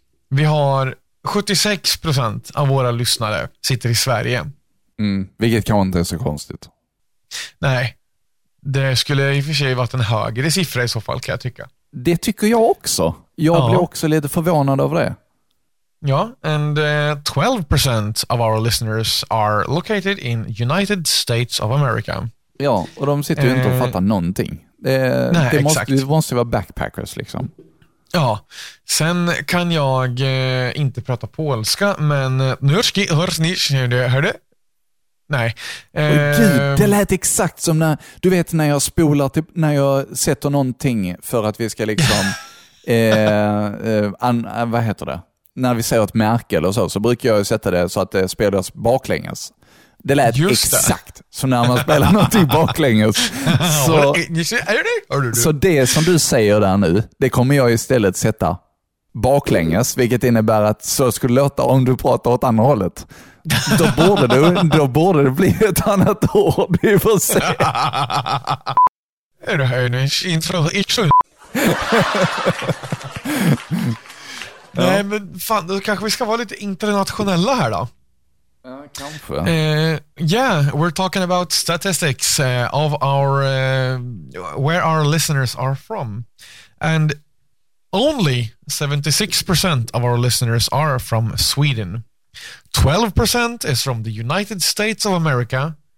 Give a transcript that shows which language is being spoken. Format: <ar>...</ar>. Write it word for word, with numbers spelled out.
<sv>Vi har sjuttiosex procent av våra lyssnare sitter i Sverige. Mm, vilket kan inte vara så konstigt. Nej, det skulle i och för sig varit en högre siffra i så fall kan jag tycka. Det tycker jag också. Jag ja. blir också lite förvånad över det.</sv> <en>Ja, and uh, twelve percent of our listeners are located in United States of America.</en> <sv>Ja, och de sitter ju eh, inte och fattar någonting. Det, nej, det, måste, det måste vara backpackers liksom. Ja, sen kan jag eh, inte prata polska, men norski hörs ni, hörde? Nej. Eh, oh, gud, det lät exakt som när, du vet när jag spolar, typ, när jag sätter någonting för att vi ska liksom... Eh, eh, an, eh, vad heter det? När vi säger ett märke eller så, så brukar jag sätta det så att det spelas baklänges. Det lät Just exakt det. Som när man spelar någonting baklänges. Så, så det som du säger där nu, det kommer jag istället sätta baklänges, vilket innebär att så skulle låta om du pratar åt andra hållet. Då borde, du, då borde det bli ett annat ord. Vi får se. Är det här nu inte från Nej men fan, då kanske vi ska vara lite internationella här då. Ja, kanske.</sv> <en>Uh, yeah, we're talking about statistics uh, of our uh, where our listeners are from. And only seventy-six percent of our listeners are from Sweden. twelve percent is from the United States of America.</en>